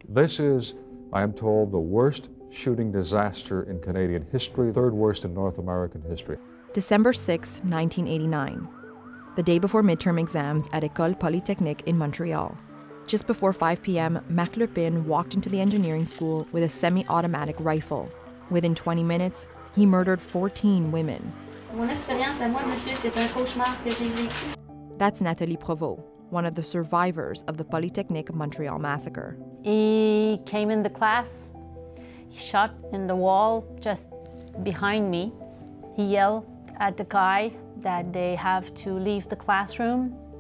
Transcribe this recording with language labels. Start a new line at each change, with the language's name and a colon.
English: This is, I am told, the worst shooting disaster in Canadian history, third worst in North American history. December 6, 1989, the day before midterm exams at École Polytechnique in Montreal. Just before 5 p.m., Marc Lepine walked into the engineering school with a semi-automatic rifle. Within 20 minutes, he murdered 14 women.
French: Mon expérience à moi, monsieur, c'est un cauchemar que j'ai vécu.
English: That's Nathalie Provost, one of the survivors of the Polytechnique Montreal massacre. He came in the class, shot in the wall just behind me. He yelled at the guy that they have to leave the classroom.